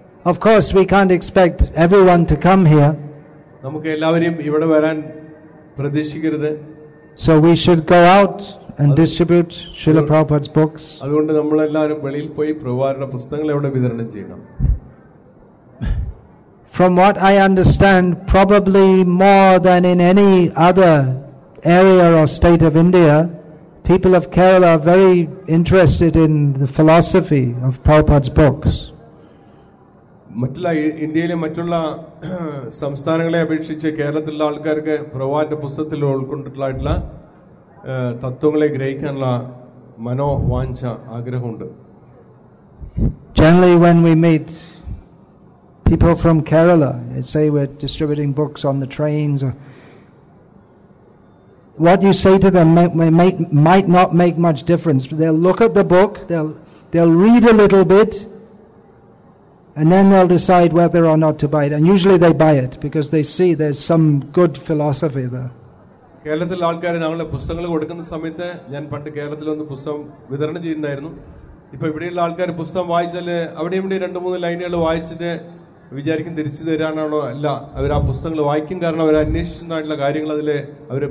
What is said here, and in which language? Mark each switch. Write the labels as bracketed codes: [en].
[en] Of course, we can't expect everyone to come here. [ml] നമുക്ക് എല്ലാവരെയും ഇവിടെ വരാൻ പ്രതീക്ഷിക്കരുത്. [en] So we should go out and distribute Srila Prabhupada's books. [ml] അതുകൊണ്ട് നമ്മൾ എല്ലാവരും വെളിയിൽ പോയി പ്രഭുവാരുടെ പുസ്തകങ്ങൾ ഇവിടെ വിതരണം ചെയ്യണം. [en] From what I understand, probably more than in any other area or state of India, people of Kerala are very interested in the philosophy of Prabhupada's books. [ml] മറ്റുള്ള ഇന്ത്യയിലെ മറ്റുള്ള സംസ്ഥാനങ്ങളെ അപേക്ഷിച്ച് കേരളത്തിലുള്ള ആൾക്കാർക്ക് പ്രഭുവിന്റെ പുസ്തകത്തിൽ ഉൾക്കൊണ്ടിട്ടുള്ളതായിട്ടുള്ള തത്വങ്ങളെ ഗ്രഹിക്കാനുള്ള മനോവാഞ്ച ആഗ്രഹമുണ്ട്. [en] Generally when we meet people from Kerala, they say we're distributing books on the trains, or what you say to them might not make much difference, but they'll look at the book, they'll read a little bit, and then they'll decide whether or not to buy it, and usually they buy it because they see there's some good philosophy there. [ml] കേരളത്തിലെ ആൾക്കാരെ നമ്മളെ പുസ്തകങ്ങൾ കൊടുക്കുന്ന സമയത്ത് ഞാൻ പണ്ട് കേരളത്തിൽ ഒന്ന് പുസ്തകം വിതരണം ചെയ്യുന്നുണ്ടായിരുന്നു. ഇപ്പൊ ഇവിടെയുള്ള ആൾക്കാർ പുസ്തകം വായിച്ചാല് അവിടെ ഇവിടെ രണ്ടു മൂന്ന് ലൈനുകൾ വായിച്ചിട്ട് വിചാരിക്കും തിരിച്ചു തരാനാണോ, അല്ല അവർ ആ പുസ്തകങ്ങൾ വായിക്കും കാരണം അവർ അന്വേഷിച്ചതായിട്ടുള്ള കാര്യങ്ങൾ അതില് അവര്